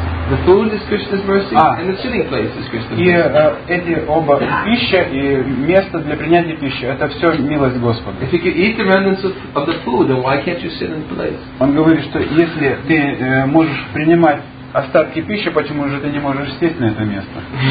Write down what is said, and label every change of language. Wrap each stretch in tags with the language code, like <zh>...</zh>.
<en>the food is Krishna's mercy, and the sitting place is Krishna's mercy.</en> <ru>И эти оба, пища и место для принятия пищи, это все милость Господа.</ru> <en>If you can eat the remnants of the food, then why can't you sit in the place?</en> <ru>Он говорит, что если ты можешь принимать остатки пищи, почему же ты не можешь сесть на это место?</ru>